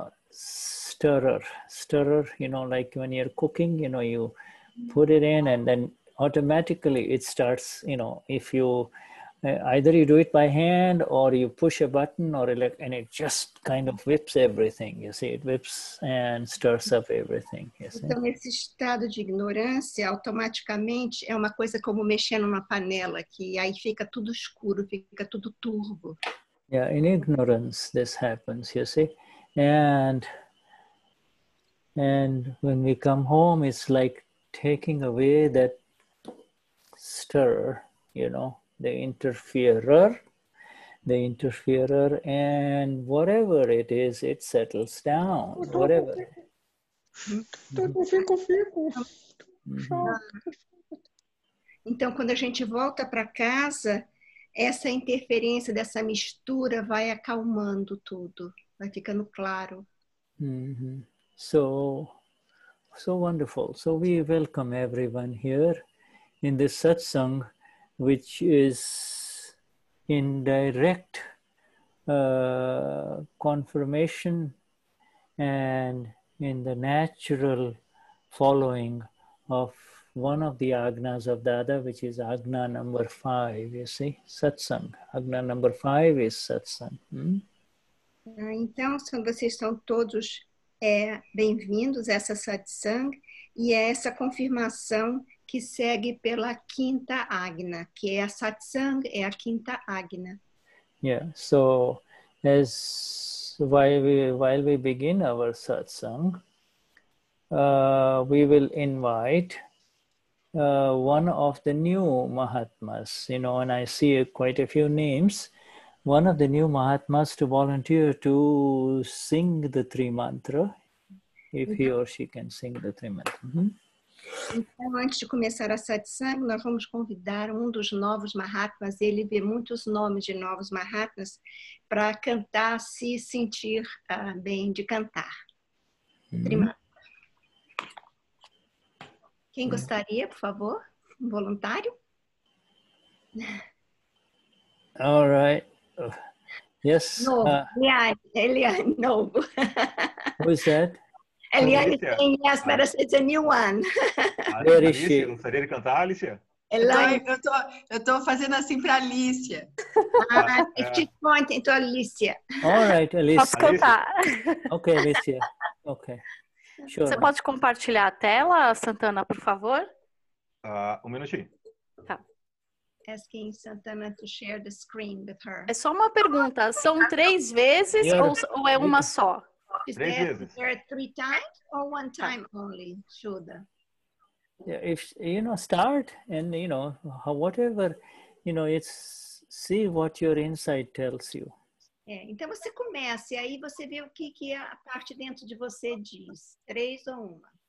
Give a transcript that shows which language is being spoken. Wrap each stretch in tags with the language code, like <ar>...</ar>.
<en>stirrer, you know, like when you're cooking, you know, you put it in and then automatically it starts, you know, if you either you do it by hand or you push a button or like, and it just kind of whips everything, you see, it whips and stirs up everything, you see.</en> <pt>Então, esse estado de ignorância automaticamente é uma coisa como mexer numa panela, que aí fica tudo escuro, fica tudo turvo.</pt> <en>Yeah, in ignorance this happens, you see. And when we come home, it's like taking away that stir, you know, the interferer, and whatever it is, it settles down, whatever.</en> <pt>Então, quando a gente volta para casa, essa interferência dessa mistura vai acalmando tudo, vai ficando claro.</pt> <en>Mm-hmm. So wonderful. So we welcome everyone here in this satsang, which is in direct confirmation and in the natural following of one of the agnas of Dada, which is agna number 5, you see, satsang. Agna number 5 is satsang. Hmm?</en> <pt>Então, vocês estão todos bem-vindos a essa satsang e a essa confirmação que segue pela quinta agna, que é a satsang, é a quinta agna.</pt> <en>Yeah, so while we begin our satsang, we will invite one of the new Mahatmas, you know, and I see quite a few names, one of the new Mahatmas to volunteer to sing the three mantra, if he or she can sing the three mantra. Mm-hmm.</en> <pt>Então, antes de começar a satsang, nós vamos convidar um dos novos Mahatmas, ele vê muitos nomes de novos Mahatmas, para cantar, se sentir bem de cantar. Trimantra. Quem gostaria, por favor? Um voluntário?</pt> <en>All right. Yes. No, Eliane, no. Who is that? Eliane, saying yes, but it's a new one. Where is she?</en> <pt>Gostaria de cantar, Alicia? Eliane. Eu tô fazendo assim para Alicia.</pt> <en>She's pointing to Alicia. All right, Alicia.</en> <pt>Posso cantar?</pt> <en>Okay, Alicia. Okay. Sure.</en> <pt>Você pode compartilhar a tela, Santana, por favor? Um minutinho. Tá.</pt> <en>Asking Santana to share the screen with her.</en> <pt>É só uma pergunta. São três vezes ou é uma só? Três vezes.</pt> <en>Is there three times or one time only, Shuda? Yeah, if you know, start and you know, whatever, you know, it's see what your insight tells you.</en> <pt>É, então você começa e aí você vê o que a parte dentro de você diz. Três ou uma?</pt>